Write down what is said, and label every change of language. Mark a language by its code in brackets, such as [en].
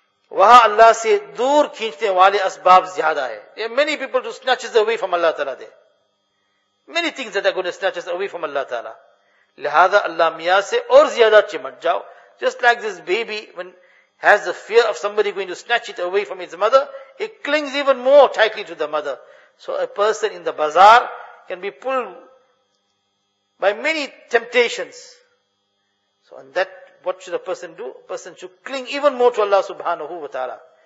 [ur] وہاں اللہ سے دور کھینچنے والے اسباب زیادہ ہے. [en] There are many people who snatch us away from Allah Ta'ala there. Many things that are going to snatch us away from Allah Ta'ala. [ur] لہذا اللہ میاں سے اور زیادہ چمٹ جاؤ. [en] Just like this baby, when has the fear of somebody going to snatch it away from its mother, it clings even more tightly to the mother. So a person in the bazaar can be pulled by many temptations. So on that, what should a person do? A person should cling even more to Allah subhanahu wa ta'ala.